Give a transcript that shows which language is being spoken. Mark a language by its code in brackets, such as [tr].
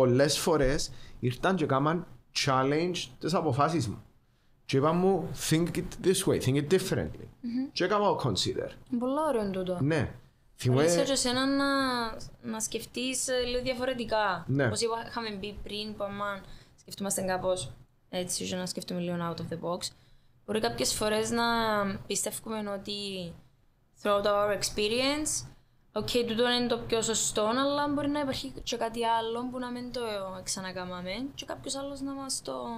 [el] Πολλές φορές ήρθαν και κάμαν challenge τις αποφάσεις μου. Και είπα μου, [en] think it this way, think it differently. Mm-hmm. [el] Και έκαμα consider. Πολλά ωραία είναι τούτο. Ναι. Θυμίζω και σένα να σκεφτείς λίγο διαφορετικά. Ναι. Όπως είχαμε μπει πριν, πάμε σκεφτούμαστε κάπως έτσι, για να σκεφτούμε λίγο out of the box. Μπορεί κάποιες φορές να πιστεύουμε ότι [en] throughout our experience, [el] ok, τούτο είναι το πιο σωστό, αλλά μπορεί να υπάρχει και κάτι άλλο που να μην το ξανακάμαμε και κάποιος άλλος να μας το...